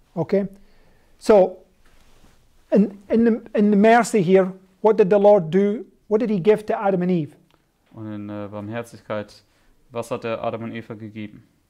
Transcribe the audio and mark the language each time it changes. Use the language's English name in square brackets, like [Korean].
[English] Okay. So in the mercy here, what did the Lord do? What did he give to Adam and Eve? [German] Und in Barmherzigkeit, was hat er Adam und Eva gegeben?